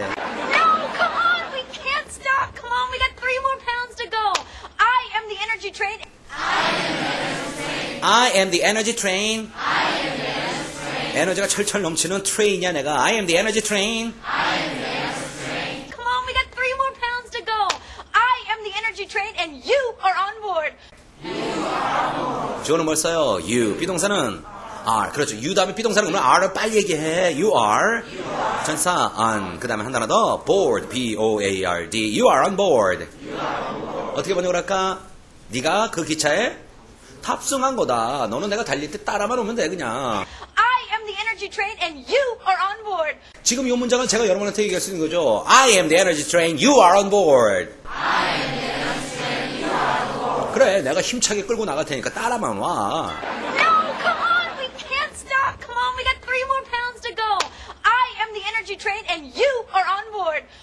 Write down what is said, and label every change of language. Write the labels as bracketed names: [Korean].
[English] No, come on, we can't stop. Come on, we got 3 more pounds to go. I am the energy train. I am the energy train. I am the energy train. I am the energy train. [Korean] 에너지가 철철 넘치는 트레인이야, 내가. [English] I am the energy train. I am the energy train. Come on, we got 3 more pounds to go. I am the energy train and you are on board. [Korean] You는 뭘 써요? You. 비동사는 are. 그렇죠. You 다음에 비동사는 그러면 are를 빨리 얘기해. [English] You are. You are. [Korean] 전사 on. 그 다음에 한 단어 더. Board. B-O-A-R-D. [English] You are on board. You are on board. [Korean] 어떻게 번역을 할까? 네가 그 기차에 탑승한 거다. 너는 내가 달릴 때 따라만 오면 돼, 그냥. [English] I am the energy train and you are on board. [Korean] 지금 이 문장은 제가 여러분한테 얘기할 수 있는 거죠. [English] I am the energy train. You are on board. I am the energy train. [Korean] 그래, 내가 힘차게 끌고 나갈 테니까 따라만 와. [English] No, come on, we can't stop. Come on, we got 3 more pounds to go. I am the energy train and you are on board.